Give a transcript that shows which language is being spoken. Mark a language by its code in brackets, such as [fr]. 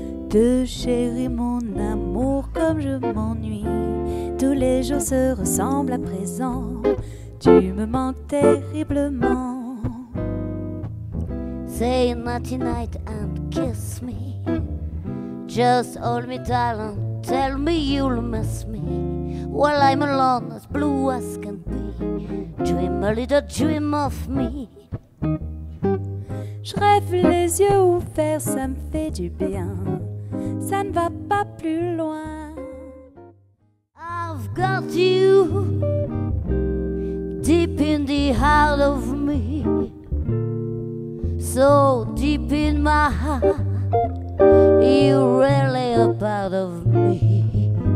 [fr] De chérie, mon amour, comme je m'ennuie, tous les jours se ressemblent à présent, tu me manques terriblement. [en] Say naughty night and kiss me, just hold me darling, tell me you'll miss me, while I'm alone as blue as can be, dream a little dream of me. [fr] Je rêve les yeux ouverts, ça me fait du bien, ça ne va pas plus loin. [en] I've got you deep in the heart of me, so deep in my heart, you're really a part of me.